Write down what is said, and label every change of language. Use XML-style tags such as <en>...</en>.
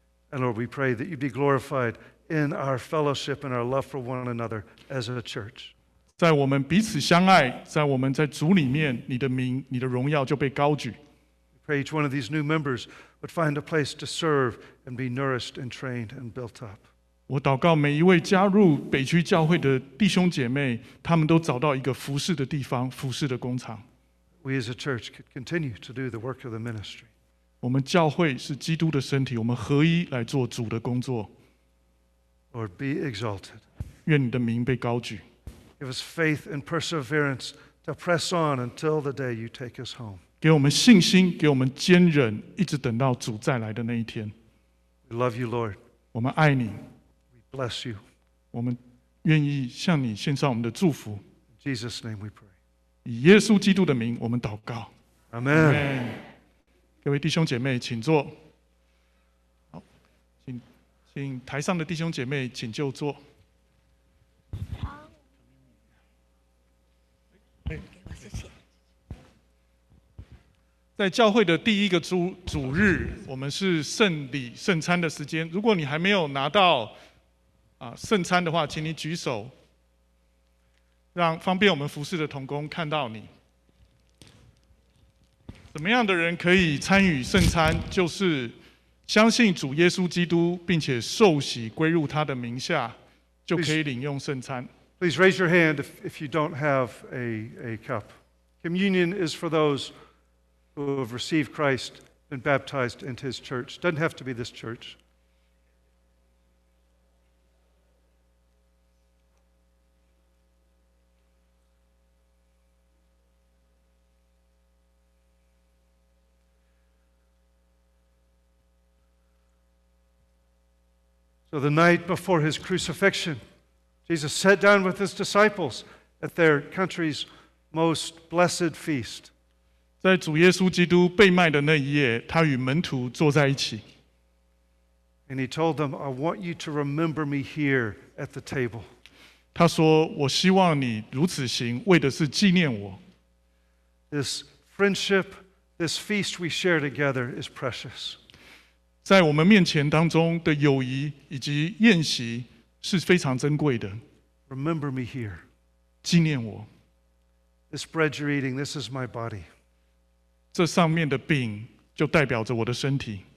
<en>And Lord, we pray that you be glorified in our fellowship and our love for one another as a church.</en> <zh>在我们彼此相爱，在我们在主里面，你的名，你的荣耀就被高举。</zh> <en>We pray each one of these new members would find a place to serve and be nourished and trained and built up.</en> <zh>我祷告每一位加入北区教会的弟兄姐妹，他们都找到一个服事的地方，服事的工厂。</zh> <en>We as a church could continue to do the work of the ministry.</en> <zh>我们教会是基督的身体，我们合一来做主的工作。</zh> <en>Lord, be exalted.</en> <zh>愿你的名被高举。</zh> <en>Give us faith and perseverance to press on until the day you take us home.</en> <zh>给我们信心，给我们坚忍，一直等到主再来的那一天。</zh> <en>We love you, Lord.</en> <zh>我们爱你。</zh> <en>Bless you.</en> <zh>我们愿意向你献上我们的祝福。</zh> <en>In Jesus' name we pray.</en> <zh>以耶稣基督的名，我们祷告。</zh> <en>Amen. Amen.</en> <zh>各位弟兄姐妹，请坐。好，请台上的弟兄姐妹请就坐。在教会的第一个主日，我们是圣礼圣餐的时间。如果你还没有拿到圣餐的话，请你举手，让方便我们服事的同工看到你。怎么样的人可以参与圣餐？就是相信主耶稣基督，并且受洗归入他的名下，就可以领用圣餐。</zh> <en>Please raise your hand if you don't have a cup. Communion is for those who have received Christ and baptized into His church. Doesn't have to be this church. So the night before his crucifixion, Jesus sat down with his disciples at their country's most blessed feast.</en> <zh>在主耶稣基督被卖的那一夜，他与门徒坐在一起。</zh> <en>And he told them, I want you to remember me here at the table.</en> <zh>他说，我希望你如此行，为的是纪念我。</zh> <en>This friendship, this feast we share together is precious.</en> <zh>在我们面前当中的友谊以及宴席是非常珍贵的。</zh> <en>Remember me here.</en> <zh>纪念我。</zh> <en>This bread you're eating, this is my body.</en> <zh>这上面的饼就代表着我的身体。</zh>